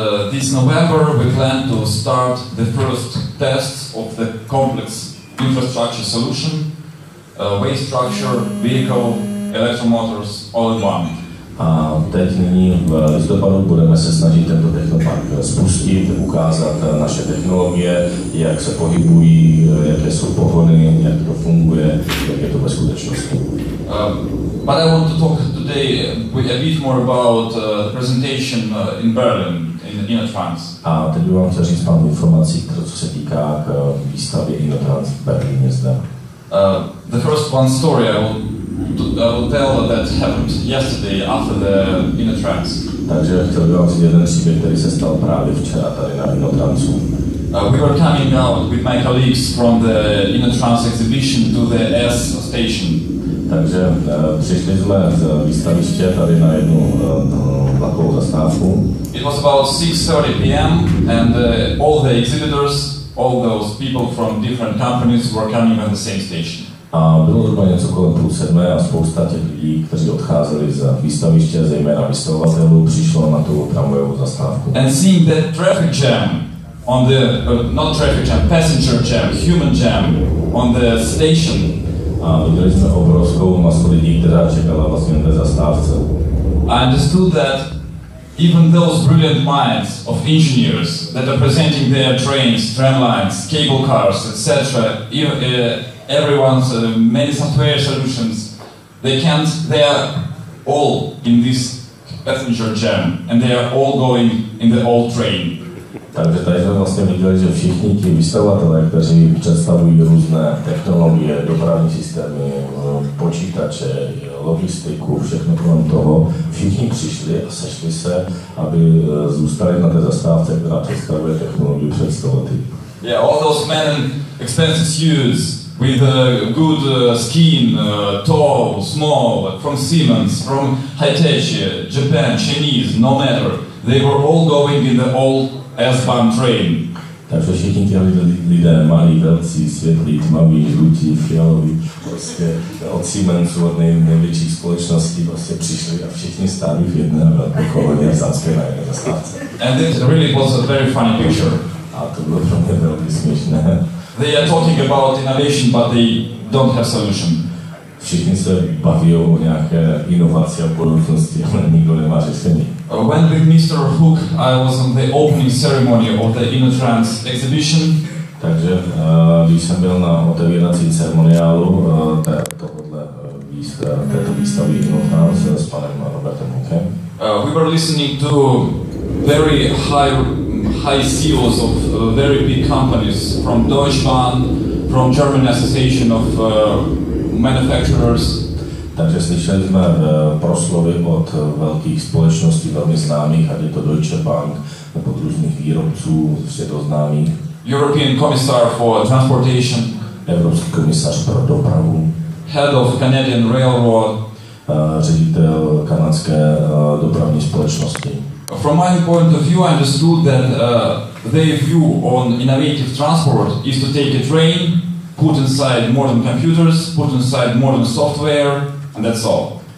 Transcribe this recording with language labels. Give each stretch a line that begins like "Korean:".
English: This November we plan to start the first tests of the complex infrastructure solution, waste structure, vehicle, electromotors, all in one.
Czech: A teď nyní v listopadu budeme se snažit tento technopark spustit, ukázat naše technologie, jak se pohybují, jaké jsou pohony, jak to funguje, jak je to ve skutečnosti.
English: But I want to talk today a bit more about the presentation in Berlin, in advance.
Czech: A teď bych vám chtěl říct pár informací, co se týká k výstavě InnoTrans v Berlíně zde.
English: The first one story I will tell that happened yesterday after the InnoTrans.
Czech: Takže chtěl bych vám říct jeden příběh, který se stal právě včera tady na InnoTransu.
English: We were coming out with my colleagues from the InnoTrans exhibition to the S station.
Czech: Takže přišli jsme z výstaviště tady na jednu vlakovou zastávku.
English: It was about 6:30 p.m. and all the exhibitors, all those people from different companies were coming on the same station.
Czech: A bylo zhruba něco kolem půl sedmé a spousta těch lidí, kteří odcházeli z výstaviště, zejména vystavovatelů, přišlo na tu tramvajovou zastávku.
English: And seeing that traffic jam on the not traffic jam, passenger jam, human jam on the station.
Czech: A viděli jsme obrovskou masu lidí, která čekala vlastně na zastávce.
English: I understood that even those brilliant minds of engineers that are presenting their trains, tramlines, cable cars, etc., even everyone's many software solutions, they are all in this passenger jam, and they are all going in the old train.
Czech: Takže tady jsme vlastně viděli, že všichni ti vystavovatelé, kteří představují různé technologie, dopravní systémy, počítače, logistiku, všechno kolem toho, všichni přišli a sešli se, aby zůstali na té zastávce, která představuje technologii před 100 lety.
English: Yeah, all those men in expensive suits with a good skin, tall, small, from Siemens, from Hitachi, Japan, Chinese, no matter, they were all going in the old S-Bahn train.
Czech: Takže všichni těch lidé, malí, velcí, světlí, tmaví, žlutí, fialoví, prostě od Siemensu, od největší společnosti prostě přišli a všichni stáli v jedné velké koloně v Zácké na jedné zastávce.
English: And it really was a very funny picture.
Czech: A to bylo pro mě velmi směšné.
English: They are talking about innovation, but they don't have solution.
Czech: Všichni se baví o nějaké inovaci a budoucnosti, ale nikdo nemá řešení.
English: When with Mr. Hook, I was on the opening ceremony of the InnoTrans exhibition.
Czech: Takže když jsem byl na otevírací ceremoniálu této výstavy Innofans s panem Robertem Munkem.
English: We were listening to very high CEOs of very big companies from Deutsche Bahn, from German Association of Manufacturers.
Czech: Takže slyšeli jsme proslovy od velkých společností, velmi známých, ať je to Deutsche Bank, nebo různých výrobců, světoznámých.
English: European Commissar for Transportation.
Czech: Evropský komisař pro dopravu.
English: Head of Canadian Railroad.
Czech: Ředitel kanadské dopravní společnosti.
English: From my point of view, I understood that their view on innovative transport is to take a train, put inside modern computers, put inside modern software, and that's all.